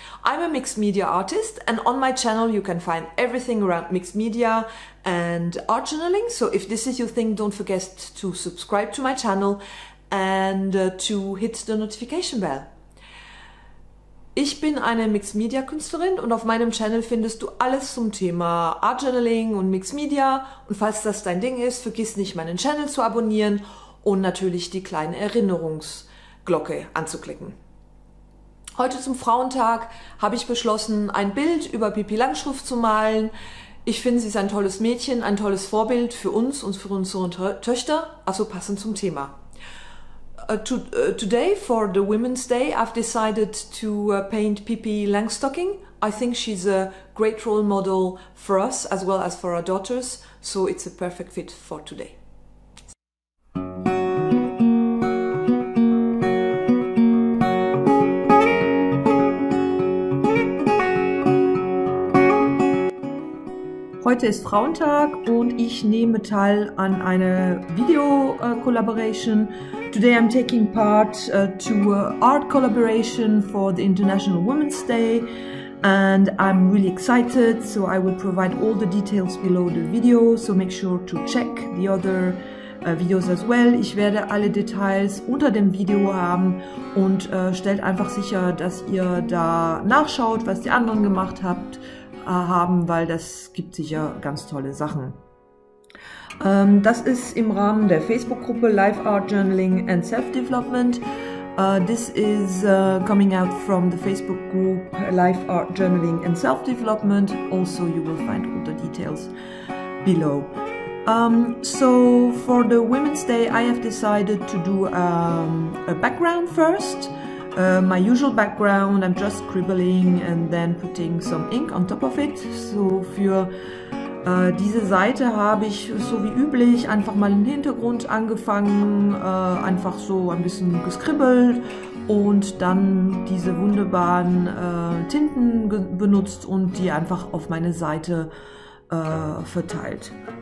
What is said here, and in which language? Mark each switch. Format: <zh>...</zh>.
<en>I'm a mixed media artist and on my channel you can find everything around mixed media and art journaling. So if this is your thing, don't forget to subscribe to my channel and to hit the notification bell.</en> <de>Ich bin eine Mixed Media Künstlerin und auf meinem Channel findest du alles zum Thema Art Journaling und Mixed Media. Und falls das dein Ding ist, vergiss nicht, meinen Channel zu abonnieren und natürlich die kleine Erinnerungsglocke anzuklicken. Heute zum Frauentag habe ich beschlossen, ein Bild über Pippi Langstrumpf zu malen. Ich finde, sie ist ein tolles Mädchen, ein tolles Vorbild für uns und für unsere Töchter, also passend zum Thema.</de> <en>Today, for the Women's Day, I've decided to paint Pippi Langstocking. I think she's a great role model for us as well as for our daughters, so it's a perfect fit for today.</en> <de>Heute ist Frauentag und ich nehme teil an einer Video-Collaboration.</de> <en>Today I'm taking part to an art collaboration for the International Women's Day and I'm really excited, so I will provide all the details below the video, so make sure to check the other videos as well.</en> <de>Ich werde alle Details unter dem Video haben und stellt einfach sicher, dass ihr da nachschaut, was die anderen gemacht habt. Haben, weil das gibt sicher ganz tolle Sachen. Das ist im Rahmen der Facebook-Gruppe Live Art Journaling and Self-Development.</de> <en>This is coming out from the Facebook group Live Art Journaling and Self-Development. Also you will find all the details below. So for the Women's Day I have decided to do a background first. My usual background, I'm just scribbling and then putting some ink on top of it.</en> <de>So für diese Seite habe ich so wie üblich einfach mal den Hintergrund angefangen, einfach so ein bisschen gescribbelt und dann diese wunderbaren Tinten benutzt und die einfach auf meine Seite verteilt.</de>